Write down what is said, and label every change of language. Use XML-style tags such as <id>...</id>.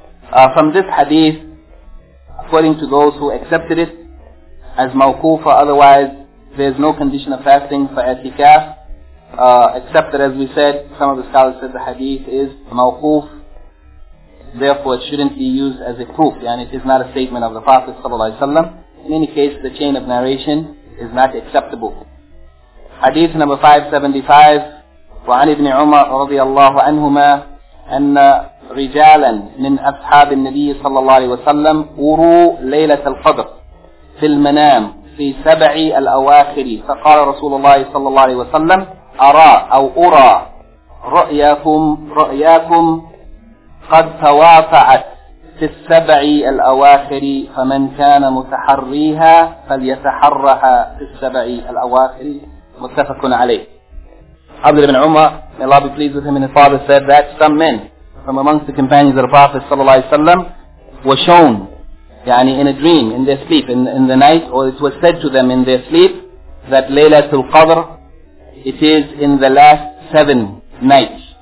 <en>From this hadith, according to those who accepted it as mawquf or otherwise, there's no condition of fasting for i'tikaf, except that, as we said, some of the scholars said the hadith is mawquf, therefore it shouldn't be used as a proof, and it is not a statement of the Prophet ﷺ. In any case, the chain of narration is not acceptable. Hadith number 575,</en> <ar>وعن ابن عمر رضي الله عنهما أن رجالا من أصحاب النبي صلى الله عليه وسلم أروا ليلة القدر في المنام في سبع الأواخر, فقال رسول الله صلى الله عليه وسلم أرى أو أرى رؤياكم قد توافعت في السبع الأواخر, فمن كان متحريها فليتحرها في السبع الأواخر. متفق عليه.</ar> <en>عبد بن عمر, may Allah be pleased with him and his father, said that some men from amongst the companions of the Prophet</en> <ar>صلى الله عليه وسلم</ar> <en>were shown, يعني in a dream, in their sleep, in the night, or it was said to them in their sleep, that Laylatul Qadr, it is in the last seven nights.</en>